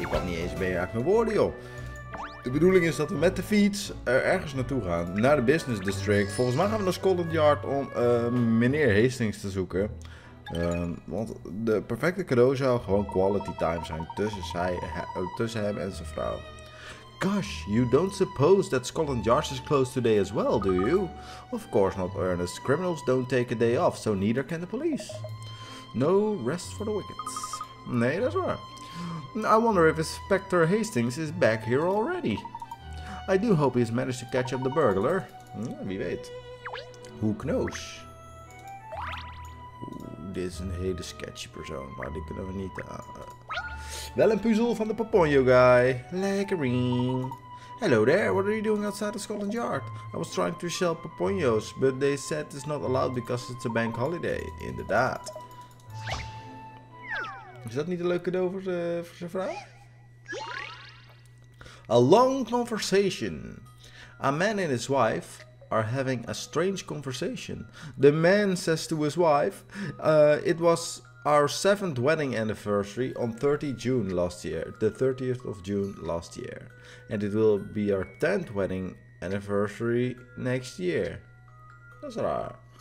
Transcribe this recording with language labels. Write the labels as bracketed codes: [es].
[nl] Ik kan niet eens meer uit mijn woorden, joh. De bedoeling is dat we met de fiets ergens naartoe gaan, naar de business district. Volgens mij gaan we naar Scotland Yard om meneer Hastings te zoeken. Want de perfecte cadeau zou gewoon quality time zijn tussen hem en zijn vrouw. [en] Gosh, you don't suppose that Scotland Yard is closed today as well, do you? Of course not, Ernest. Criminals don't take a day off, so neither can the police. No rest for the wicked. [nl] Nee, dat is waar. [en] I wonder if Inspector Hastings is back here already. I do hope he's managed to catch up the burglar. [nl] Wie weet. [en] Who knows? [nl] Dit is een hele sketchy persoon, maar die kunnen we niet Wel een puzzel van de Poponjo guy. Lekkering. [en] Hello there, what are you doing outside of Scotland Yard? I was trying to sell Poponjo's, but they said it's not allowed because it's a bank holiday. [nl] Inderdaad. Is dat niet een leuk cadeau voor zijn vrouw? [en] A long conversation. A man and his wife are having a strange conversation. The man says to his wife, it was our 7th wedding anniversary on 30 June last year. The 30th of June last year. And it will be our 10th wedding anniversary next year. That's raar.